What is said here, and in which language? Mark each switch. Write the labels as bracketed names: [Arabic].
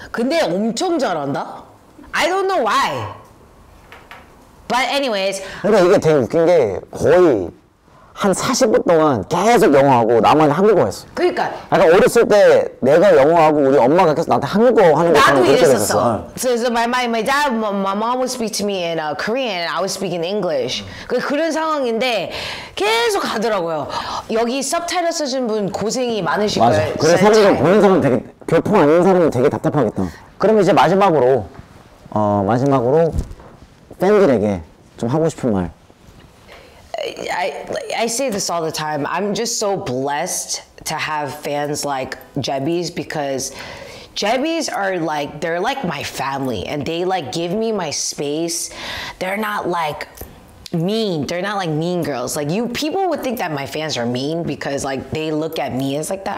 [Korean] 근데 엄청 잘한다? [English] I don't know why. But anyways. [Korean] 근데 이게 되게 웃긴 게 거의 한 40분 동안 계속 영어하고 나만 한국어 했어. 그러니까. 약간 어렸을 때 내가 영어하고 우리 엄마가 계속 나한테 한국어 하는 거 나도 이랬었어. [English] So my dad, my mom would speak to me in Korean and I would speak in English. [Korean] 그런 상황인데 계속 가더라고요. 여기 서브타이틀 쓰신 분 고생이 많으실 거예요. 맞아. 그래서 사람들 보는 사람은 되게 교통 아닌 사람은 되게 답답하겠다. 그럼 이제 마지막으로 마지막으로 팬들에게 좀 하고 싶은 말. [English] I say this all the time. I'm just so blessed to have fans like Jebbies because Jebbies are like, they're like my family and they like give me my space. They're not like mean. They're not like mean girls. Like you, people would think that my fans are mean because like they look at me as like that.